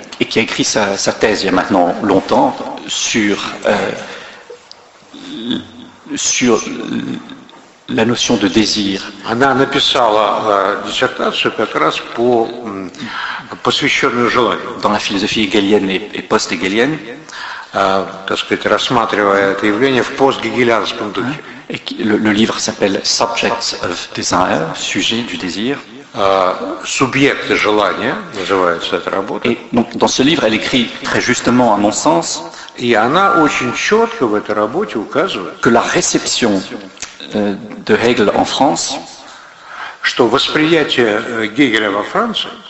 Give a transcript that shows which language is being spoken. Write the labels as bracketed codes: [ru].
[fr] Qui a écrit sa thèse il y a maintenant longtemps sur la notion de désir. [ru] Она написала диссертацию как раз по посвященную желанию. [fr] Dans la philosophie hegelienne et post-hegelienne, [ru] так сказать, рассматривая это явление в пост-гегелианском духе. [fr] Et le livre s'appelle Subjects of Desire, sujet du désir. [ru] Субъект желания называется эта работа. [fr] Et donc, dans ce livre, elle écrit très justement, à mon sens, [ru] и она очень четко в этой работе указывает, [fr] que la réception de Hegel en France, [ru] что восприятие Гегеля во Франции